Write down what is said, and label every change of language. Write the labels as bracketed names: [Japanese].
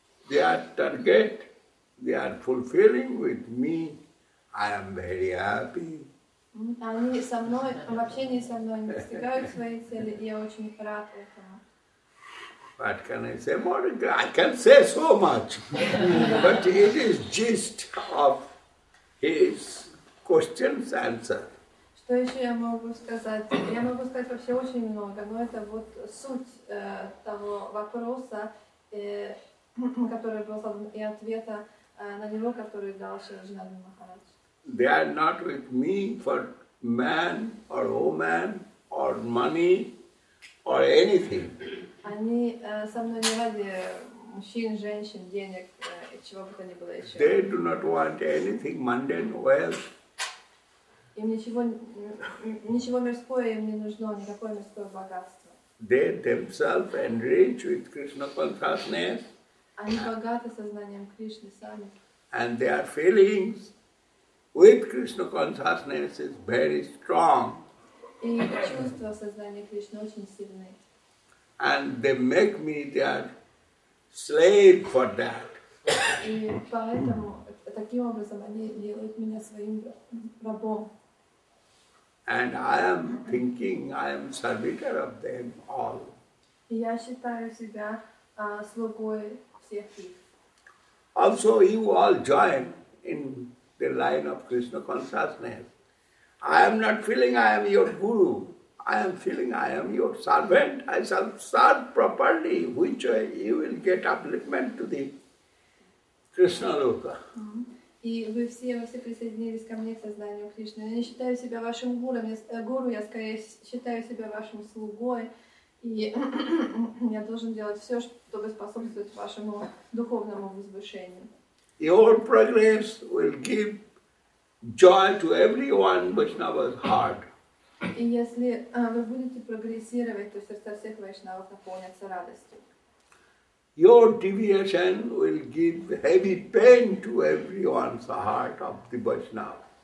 [English] Their target, they are fulfilling with me. I am very happy. [Russian] Они со мной, в общении со мной, они достигают своей цели, и я очень рад этому. [English] What can I say more? I can say so much. But it is gist of his questions answer. [Russian] Что еще я могу сказать? Я могу сказать вообще очень много, но это вот суть того вопроса, который был задан, и ответа на него, который дал Шри Джанардан Махарадж. [English] They are not with me for man or woman or money or anything. [Russian] Они со мной не ради мужчин, женщин, денег, чего бы то ни было еще. [English] They do not want anything mundane wealth. [Russian] Им ничего мирское им не нужно, никакое мирское богатство. [English] They themselves enrich with Krishna consciousness. [Russian] Они богаты сознанием Кришны сами. [English] And their feelings with Krishna consciousness is very strong. [Russian] И чувство сознания Кришны очень сильное. [English] And they make me their slave for that. [Russian] И поэтому таким образом они делают меня своим рабом. [English] And I am thinking I am servitor of them all. [Russian] И я считаю себя слугой всех их. [English] Also, you all join in the line of Krishna consciousness. I am not feeling I am your guru. I am feeling I am your servant. I shall serve properly, which way you will get upliftment to the Krishna loka. [Russian] И вы все присоединились ко мне к сознанию Кришны. Я не считаю себя вашим гуру, я скорее считаю себя вашим слугой. И я должен делать все, чтобы способствовать вашему духовному возвышению. [English] Your progress will give joy to everyone Vaishnava's heart. [Russian] И если вы будете прогрессировать, то сердца всех Вайшнавов наполнятся радостью. [English] Your deviation will give heavy pain to everyone's heart of the Vaishnava.